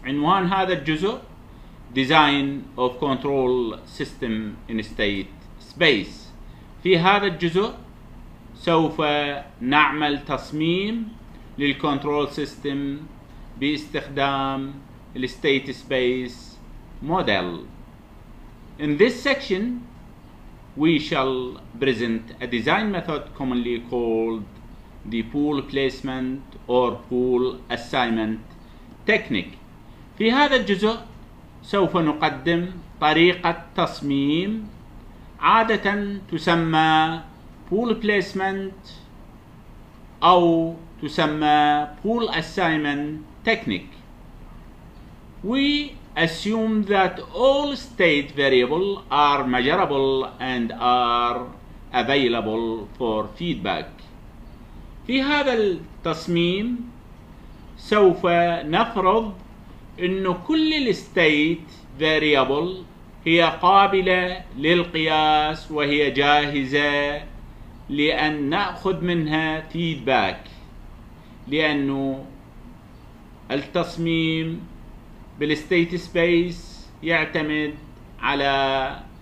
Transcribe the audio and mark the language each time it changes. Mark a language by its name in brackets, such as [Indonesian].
[Arabic] عنوان هذا الجزء [English] Design of Control System in State Space. [Arabic] في هذا الجزء سوف نعمل تصميم للكنترول سيستم باستخدام State Space Model. [English] In this section, we shall present a design method commonly called the pool placement or pool assignment technique. [Arabic] في هذا الجزء سوف نقدم طريقة تصميم عادة تسمى pool placement أو تسمى pool assignment technique. [English] We assume that all state variables are measurable and are available for feedback. [Arabic] في هذا التصميم سوف نفرض أن كل state variable هي قابلة للقياس وهي جاهزة لأن نأخذ منها feedback، لأن التصميم بالستيت سبيس يعتمد على